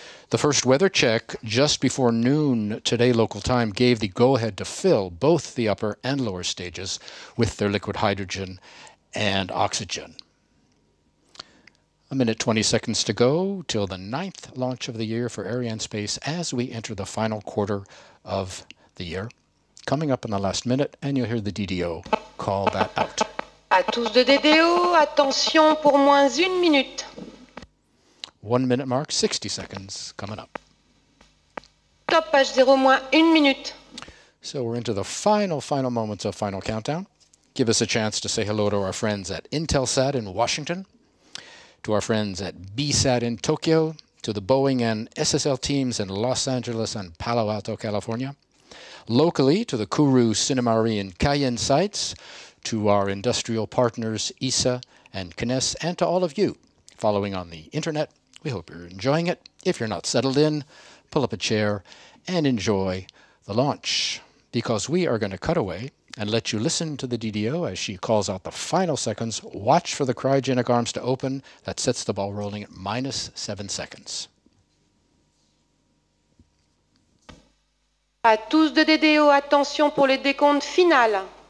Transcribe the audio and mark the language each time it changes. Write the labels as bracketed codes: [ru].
[en] The first weather check just before noon today local time gave the go-ahead to fill both the upper and lower stages with their liquid hydrogen and oxygen. A minute 20 seconds to go till the ninth launch of the year for Arianespace as we enter the final quarter of the year. Coming up in the last minute, and you'll hear the DDO call that out. [fr] À tous de DDO, attention pour moins une minute. [en] 1 minute mark, 60 seconds coming up. [fr] Top page zero, moins une minute. [en] So we're into the final moments of final countdown. Give us a chance to say hello to our friends at Intelsat in Washington, to our friends at BSAT in Tokyo, to the Boeing and SSL teams in Los Angeles and Palo Alto, California, locally to the Kourou Sinemarine Cayenne sites, to our industrial partners ESA and Kness, and to all of you following on the internet. We hope you're enjoying it. If you're not settled in, pull up a chair and enjoy the launch, because we are going to cut away and let you listen to the DDO as she calls out the final seconds. Watch for the cryogenic arms to open. That sets the ball rolling at minus 7 seconds. [fr] À tous de DDO, attention pour les décomptes final.